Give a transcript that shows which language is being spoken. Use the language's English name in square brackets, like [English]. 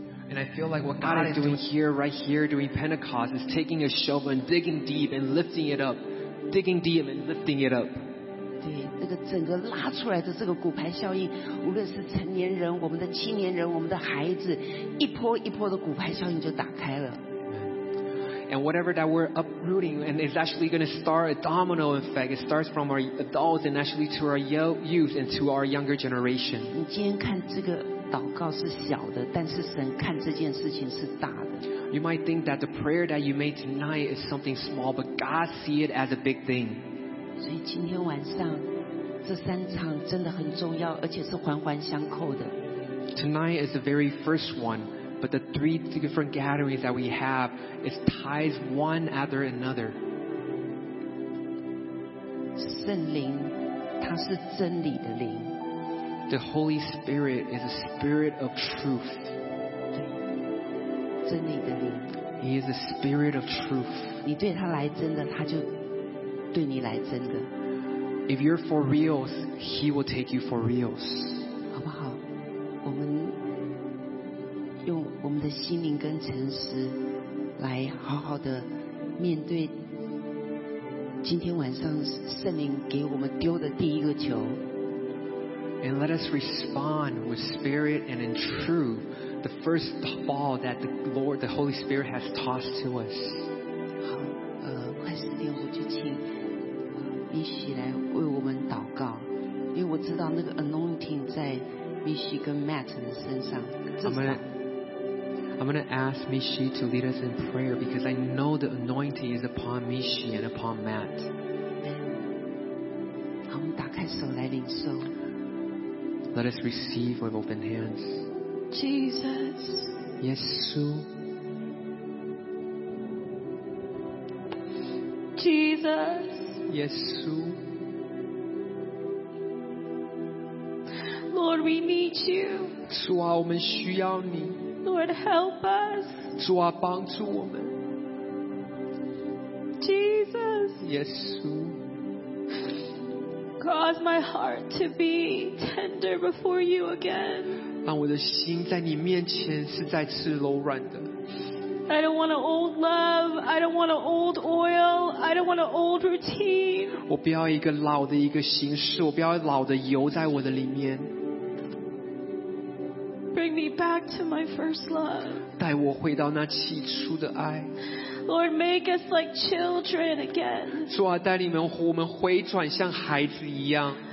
[English] And I feel like what God is doing here, right here, during Pentecost, is taking a shovel and digging deep and lifting it up. Digging deep and lifting it up. [Chinese] 对，那个整个拉出来的这个骨牌效应，无论是成年人、我们的青年人、我们的孩子，一波一波的骨牌效应就打开了。And [English] whatever that we're uprooting, and it's actually going to start a domino effect. It starts from our adults, and actually to our youth and to our younger generation. [Chinese] 你今天看这个。祷告是小的，但是神看这件事情是大的。 [English] You might think that the prayer that you made tonight is something small, but God sees it as a big thing. [Chinese] 所以今天晚上这三场真的很重要，而且是环环相扣的。 [English] Tonight is the very first one, but the three different gatherings that we have is ties one after another. [Chinese] 圣灵，它是真理的灵。 [English] The Holy Spirit is a spirit of truth. [Chinese] 真理的灵。 [English] He is a spirit of truth. [Chinese] 你对他来真的，他就对你来真的。 [English] If you're for reals, He will take you for reals. [Chinese] 好不好？我们用我们的心灵跟诚实来好好的面对今天晚上圣灵给我们丢的第一个球。 [English] And let us respond with spirit and in truth the first ball that the Lord, the Holy Spirit has tossed to us. [Chinese] 好，快十点，我就请米西来为我们祷告，因为我知道那个 anointing 在米西跟 Matt 的身上。 [English] I'm gonna ask Mishi to lead us in prayer because I know the anointing is upon Mishi and upon Matt. [Chinese] 好，我们打开手来领受。 [English] Let us receive with open hands. Jesus. [Chinese] Yesu. [English] Jesus. [Chinese] Yesu. [English] Lord, we need you. [Chinese] 主啊，我们需要你。 [English] Lord, help us. [Chinese] 主啊，帮助我们。 [English] Jesus. [Chinese] Yesu. [English] Cause my heart to be tender before you again. [Chinese] 让我的心在你面前是再次柔软的。 [English] I don't want an old love. I don't want an old oil. I don't want an old routine. [Chinese] 我不要一个老的一个形式，我不要老的油在我的里面。 [English] Bring me back to my first love. [Chinese] 带我回到那起初的爱。 [English] Lord, make us like children again. [Chinese] 主啊，带领我们回转像孩子一样。